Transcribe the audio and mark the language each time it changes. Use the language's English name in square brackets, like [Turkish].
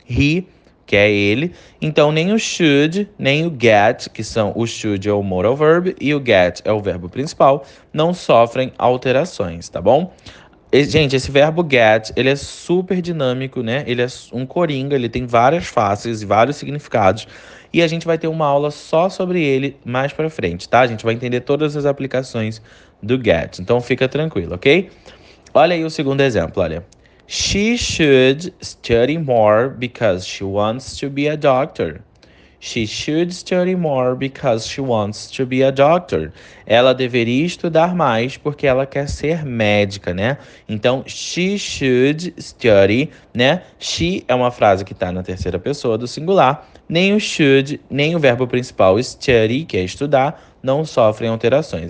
[Portuguese] He, que é ele. Então nem o should, nem o get, que são o should é o modal verb e o get é o verbo principal, não sofrem alterações, tá bom? Gente, esse verbo get, ele é super dinâmico, né? Ele é um coringa, ele tem várias faces e vários significados. E a gente vai ter uma aula só sobre ele mais pra frente, tá? A gente vai entender todas as aplicações do get. Então fica tranquilo, ok? Olha aí o segundo exemplo, olha. [English] She should study more because she wants to be a doctor. She should study more because she wants to be a doctor. [Portuguese] Ela deveria estudar mais porque ela quer ser médica, né? Então, she should study, né? She é uma frase que está na terceira pessoa do singular. Nem o should, nem o verbo principal study, que é estudar, não sofrem alterações.